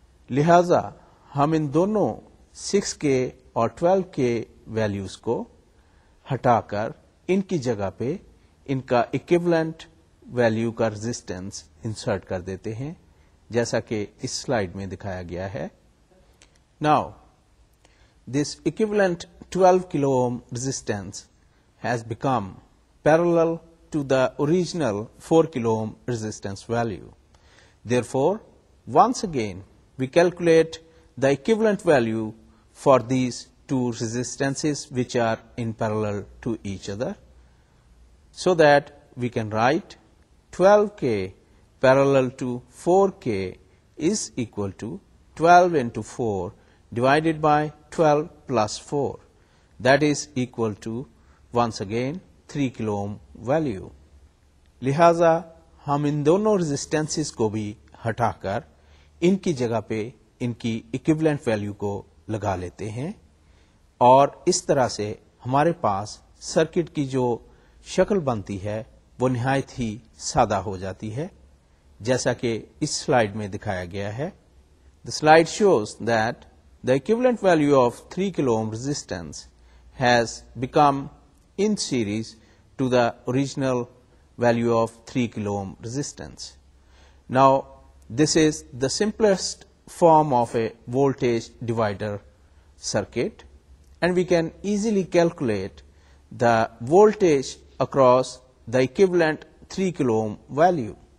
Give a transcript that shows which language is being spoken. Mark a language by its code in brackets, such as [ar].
[ur] لہذا ہم ان دونوں 6K اور 12K values کو ہٹا کر ان کی جگہ پہ ان کا equivalent value کا resistance insert کر دیتے ہیں جیسا کہ اس سلائڈ میں دکھایا گیا ہے. [en] Now, this equivalent 12 kilo ohm resistance has become parallel to the original 4 kilo ohm resistance value. Therefore, once again, we calculate the equivalent value for these two resistances which are in parallel to each other so that we can write 12K parallel to 4K is equal to 12 into 4 divided by 12 plus 4. That is equal to, once again, 3 kilo ohm value. [ur] لہذا ہم ان دونوں resistances کو بھی ہٹا کر ان کی جگہ پہ ان کی equivalent value کو لگا لیتے ہیں اور اس طرح سے ہمارے پاس circuit کی جو شکل بنتی ہے وہ نہایت ہی سادہ ہو جاتی ہے جیسا کہ اس slide میں دکھایا گیا ہے. [en] The slide shows that the equivalent value of 3 kilo ohm resistance has become in series to the original value of 3 kilo ohm resistance. Now, this is the simplest form of a voltage divider circuit, and we can easily calculate the voltage across the equivalent 3 kilo ohm value.